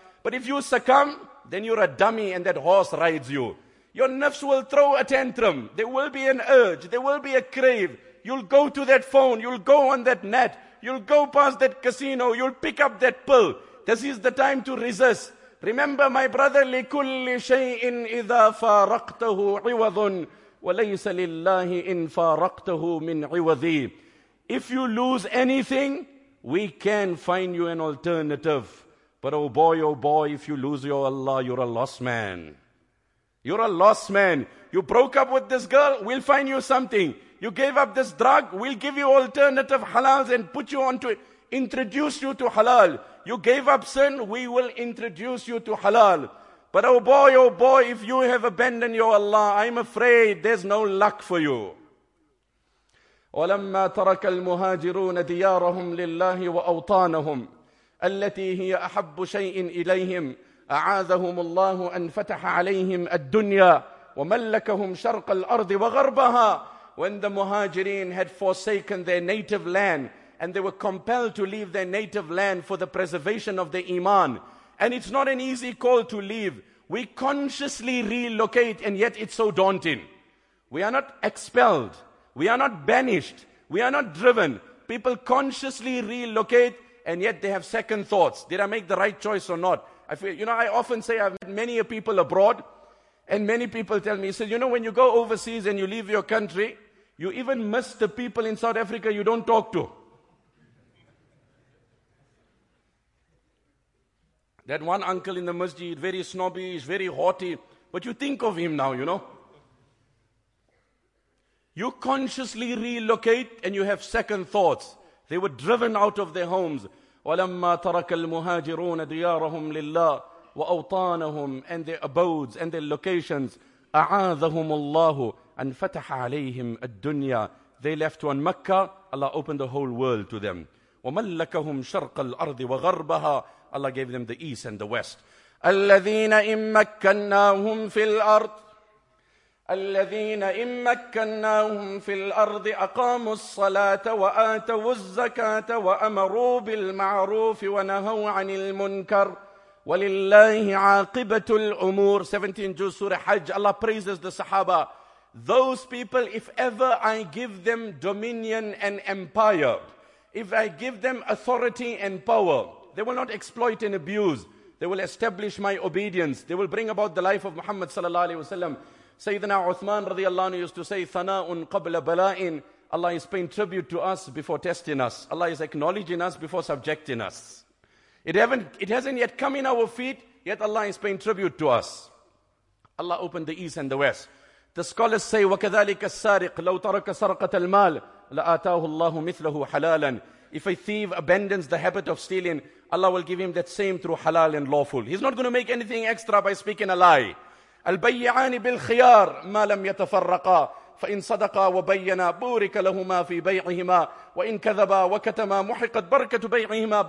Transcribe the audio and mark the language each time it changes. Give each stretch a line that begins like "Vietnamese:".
English: But if you succumb, then you're a dummy and that horse rides you. Your nafs will throw a tantrum. There will be an urge. There will be a crave. You'll go to that phone. You'll go on that net. You'll go past that casino. You'll pick up that pill. This is the time to resist. Remember, my brother,
Arabic: لِكُلِّ شَيْءٍ إِذَا فَارَقْتَهُ عِوَضٌ وَلَيْسَ لِلَّهِ إِنْ فَارَقْتَهُ مِنْ عِوَضِي.
English: If you lose anything, we can find you an alternative. But oh boy, if you lose your Allah, you're a lost man. You're a lost man. You broke up with this girl, we'll find you something. You gave up this drug, we'll give you alternative halals and put you onto it, introduce you to halal. You gave up sin, we will introduce you to halal. But oh boy, if you have abandoned your Allah, I'm afraid there's no luck for you.
Arabic: ولما ترك المهاجرون ديارهم لله وأوطانهم التي هي أحب شيء إليهم أعاذهم الله أن فتح عليهم الدنيا وملكهم شرق الأرض وغربها.
English: When the Muhajirin had forsaken their native land and they were compelled to leave their native land for the preservation of the Iman, and it's not an easy call to leave. We consciously relocate and yet it's so daunting. We are not expelled. We are not banished. We are not driven. People consciously relocate and yet they have second thoughts. Did I make the right choice or not? I often say I've met many people abroad and many people tell me, when you go overseas and you leave your country, you even miss the people in South Africa you don't talk to. That one uncle in the masjid, very snobbish, very haughty, but you think of him now, You consciously relocate and you have second thoughts. They were driven out of their homes.
Arabic: وَلَمَّا تَرَكَ الْمُهَاجِرُونَ دِيَارَهُمْ لِلَّهِ وأوطانهم
English: and their abodes and their locations.
Arabic: أعاذهم الله أن فتح عليهم الدنيا.
English: They left one Mecca, Allah opened the whole world to them.
Arabic: وملكهم شرق الأرض وغربها.
English: Allah gave them the east and the west.
Arabic: الذين إن مكناهم في الأرض الذين إن مكناهم في الأرض أقاموا الصلاة وآتوا الزكاة وأمروا بالمعروف ونهوا عن المنكر ولله عاقبة الأمور.
English: 17
Arabic: جزء سورة حج.
English: Allah praises the Sahaba. Those people, if ever I give them dominion and empire, if I give them authority and power, they will not exploit and abuse. They will establish my obedience. They will bring about the life of Muhammad sallallahu alaihi wasallam. Sayyidina Uthman radiallahu anhu used to say,
Arabic: Thana'un qabla bala'in.
English: Allah is paying tribute to us before testing us. Allah is acknowledging us before subjecting us. It hasn't yet come in our feet, yet Allah is paying tribute to us. Allah opened the east and the west. The scholars say,
Arabic: وَكَذَلِكَ السَّارِقْ لَوْ تَرَكَ سَرْقَةَ الْمَالِ لَآتَاهُ اللَّهُ مِثْلَهُ حَلَالًا.
English: If a thief abandons the habit of stealing, Allah will give him that same through halal and lawful. He's not going to make anything extra by speaking a lie.
Arabic: الْبَيِّعَانِ بِالْخِيَارِ مَا لَمْ يَتَفَرَّقَا فَإِنْ صَدَقَا وَبَيَّنَا بُورِكَ لَهُمَا فِي بَيْعِهِمَا وَإِنْ كَذَبَا وَكَتَمَا مُحِقَتْ بَرْكَةُ بَيْعِهِمَا.